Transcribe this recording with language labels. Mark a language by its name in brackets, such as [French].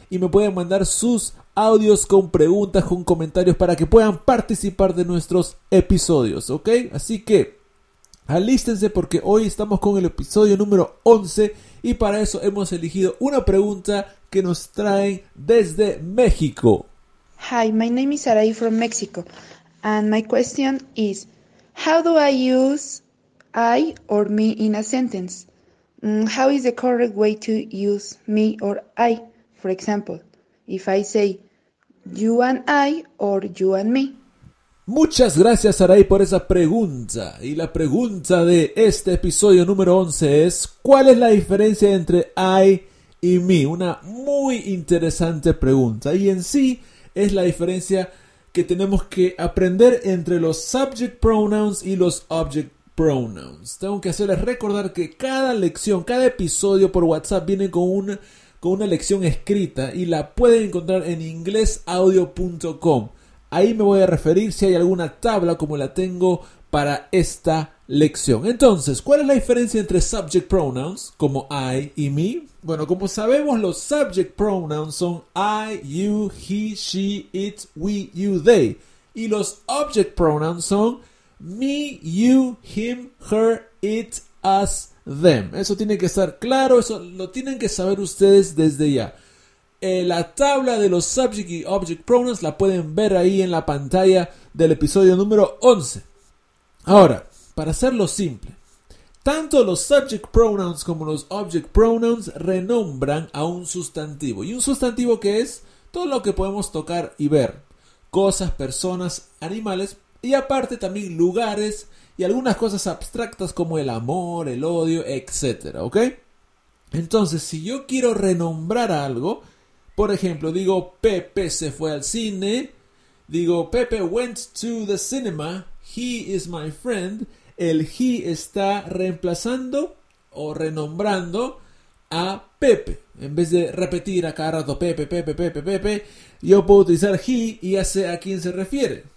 [Spanish] Y me pueden mandar sus audios con preguntas, con comentarios para que puedan participar de nuestros episodios, ¿ok? Así que alístense porque hoy estamos con el episodio número 11 y para eso hemos elegido una pregunta que nos traen desde México. [English] Hi, my name is Sarai from Mexico and my question is, how do I use I or me in a sentence? How is the correct way to use me or I? For example, if I say you and I or you and me. [Spanish] Muchas gracias, Sarai, por esa pregunta. Y la pregunta de este episodio número 11 es, ¿cuál es la diferencia entre I y me? Una muy interesante pregunta. Y en sí, es la diferencia que tenemos que aprender entre los subject pronouns y los object pronouns. Tengo que hacerles recordar que cada lección, cada episodio por WhatsApp viene con una lección escrita y la pueden encontrar en inglesaudio.com. Ahí me voy a referir si hay alguna tabla como la tengo para esta lección. Entonces, ¿cuál es la diferencia entre subject pronouns como I y me? Bueno, como sabemos, los subject pronouns son [English] I, you, he, she, it, we, you, they. [Spanish] Y los object pronouns son [English] me, you, him, her, it, us, them. [Spanish] Eso tiene que estar claro, eso lo tienen que saber ustedes desde ya. La tabla de los subject y object pronouns la pueden ver ahí en la pantalla del episodio número 11. Ahora, para hacerlo simple, tanto los subject pronouns como los object pronouns renombran a un sustantivo. Y un sustantivo que es todo lo que podemos tocar y ver. Cosas, personas, animales y aparte también lugares y algunas cosas abstractas como el amor, el odio, etc. ¿Okay? Entonces, si yo quiero renombrar algo, por ejemplo, digo, Pepe se fue al cine. Digo, [English] Pepe went to the cinema. He is my friend. [Spanish] El he está reemplazando o renombrando a Pepe. En vez de repetir a cada rato Pepe, Pepe, Pepe, Pepe, yo puedo utilizar he y ya sé a quién se refiere.